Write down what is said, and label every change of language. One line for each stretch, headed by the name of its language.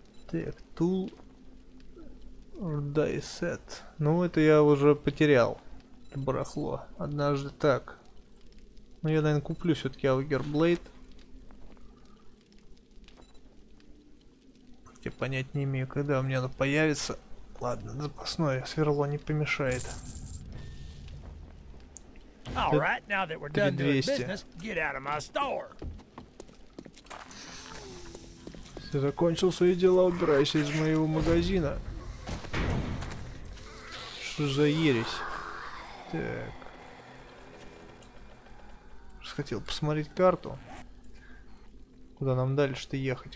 Russian: Так, Tool Die Set. Ну, это я уже потерял. Это барахло. Однажды так. Ну, я, наверное, куплю все-таки Аугерблейд. Хотя понять не имею, когда у меня оно появится. Ладно, запасное сверло не помешает.
English: Alright, now that we're done doing business, get out of my store.
Russian: Все, закончил свои дела, убирайся из моего магазина. Что за ересь? Так. Сейчас хотел посмотреть карту. Куда нам дальше-то ехать?